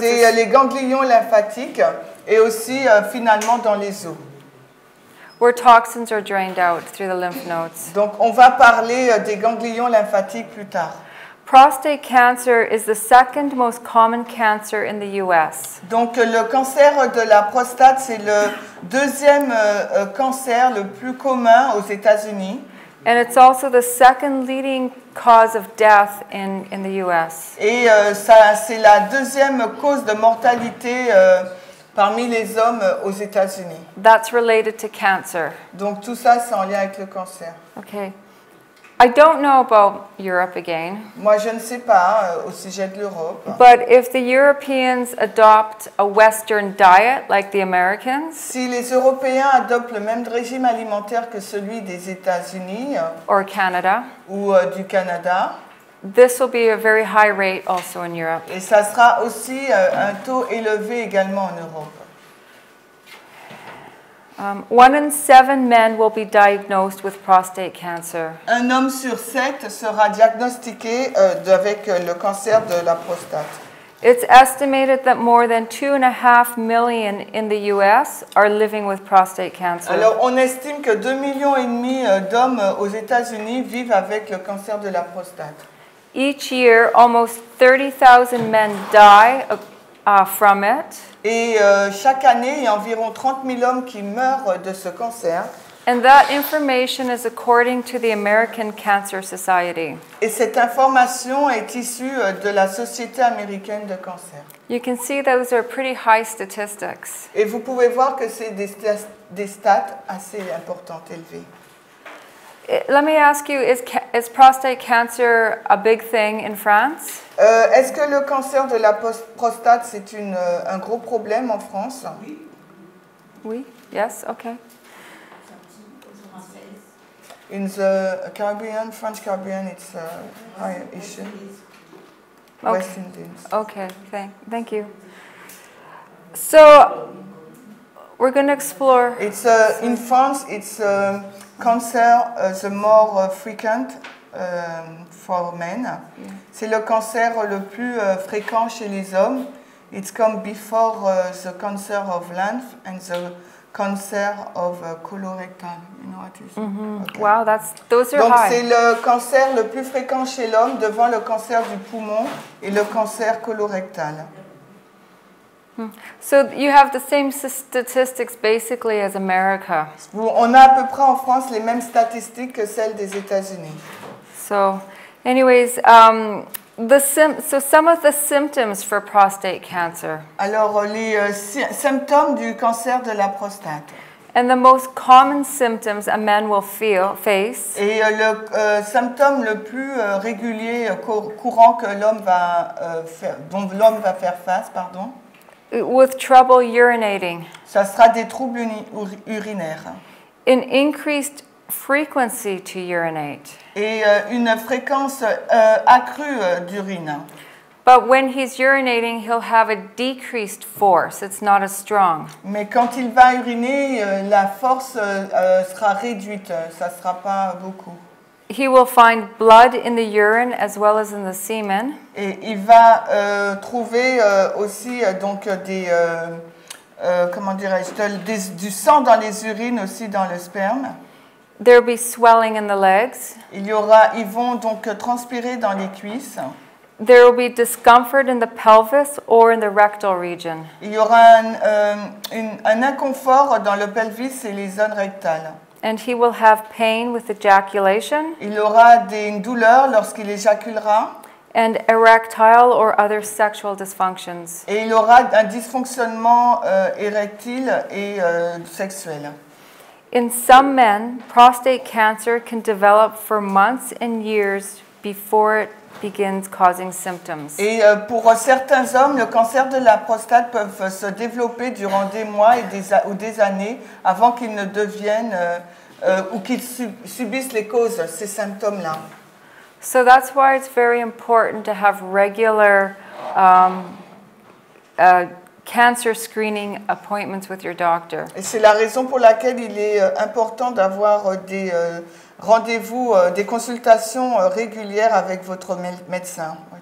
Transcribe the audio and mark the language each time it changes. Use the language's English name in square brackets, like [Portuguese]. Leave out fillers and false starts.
[French] C'est les ganglions lymphatiques et aussi finalement dans les os. [English] Where toxins are drained out through the lymph nodes. [French] Donc on va parler des ganglions lymphatiques plus tard. [English] Prostate cancer is the second most common cancer in the US. [French] Donc le cancer de la prostate, c'est le deuxième cancer le plus commun aux États-Unis. [English] And it's also the second leading cause of death in the US. [French] Et ça, c'est la deuxième cause de mortalité parmi les hommes aux États-Unis. [English] That's related to cancer. [French] Donc tout ça, c'est en lien avec le cancer. [English] Okay. I don't know about Europe again. [French] Moi, je ne sais pas au sujet de l'Europe. [English] But if the Europeans adopt a Western diet like the Americans, [French] si les Européens adoptent le même régime alimentaire que celui des États-Unis, [English] or Canada, [French] ou du Canada, [English] this will be a very high rate also in Europe. [French] Et ça sera aussi un taux élevé également en Europe. [English] One in seven men will be diagnosed with prostate cancer. [French] Un homme sur sept sera diagnostiqué avec le cancer de la prostate. [English] It's estimated that more than 2.5 million in the U.S. are living with prostate cancer. [French] Alors, on estime que 2,5 millions d'hommes aux États-Unis vivent avec le cancer de la prostate. [English] Each year, almost 30,000 men die from it. [French] Et chaque année, il y a environ 30 000 hommes qui meurent de ce cancer. [English] And that information is according to the American Cancer Society. [French] Et cette information est issue de la Société américaine de cancer. [English] You can see those are pretty high statistics. [French] Et vous pouvez voir que c'est des stats assez importantes, élevées. [English] Let me ask you, is prostate cancer a big thing in France? [French] Est-ce que le cancer de la prostate, c'est un gros problème en France? Oui. [English] Yes, okay. In the Caribbean, French Caribbean, it's a high issue. Okay. West Indies. Okay, thank you. So, we're going to explore... It's in France, it's... cancer is the more frequent for men. Yeah. [French] C'est le cancer le plus fréquent chez les hommes. [English] It's come before the cancer of lymph and the cancer of colorectal. You know what it is? Mm-hmm. Okay. Wow, those are [French] donc, [English] high. [French] Donc c'est le cancer le plus fréquent chez l'homme devant le cancer du poumon et le cancer colorectal. [English] So you have the same statistics basically as America. [French] On a à peu près en France les mêmes statistiques que celles des États-Unis. [English] So, anyways, some of the symptoms for prostate cancer. [French] Alors les symptômes du cancer de la prostate. [English] And the most common symptoms a man will face. [French] Et le symptôme le plus régulier courant que l'homme va faire face. [English] With trouble urinating. [French] Ça sera des troubles urinaires. [English] An increased frequency to urinate. [French] Et une fréquence accrue d'urine. [English] But when he's urinating, he'll have a decreased force. It's not as strong. [French] Mais quand il va uriner, la force sera réduite. Ça sera pas beaucoup. [English] He will find blood in the urine as well as in the semen. [French] Et il va trouver aussi donc des comment dirais-je du sang dans les urines aussi dans le sperme. [English] There will be swelling in the legs. [French] Ils vont donc transpirer dans les cuisses. [English] There will be discomfort in the pelvis or in the rectal region. [French] Il y aura un inconfort dans le pelvis et les zones rectales. [English] And he will have pain with ejaculation. [French] Il aura une douleur lorsqu'il éjaculera. [English] And erectile or other sexual dysfunctions. [French] Et il aura un dysfonctionnement érectile et sexuel. [English] In some men, prostate cancer can develop for months and years before it begins causing symptoms. [French] Et pour certains hommes, le cancer de la prostate peut se développer durant des mois et des années avant qu'il ne devienne ou qu'il subisse les causes, ces symptômes-là. [English] So that's why it's very important to have regular cancer screening appointments with your doctor. [French] Et c'est la raison pour laquelle il est important d'avoir des rendez-vous, des consultations régulières avec votre médecin.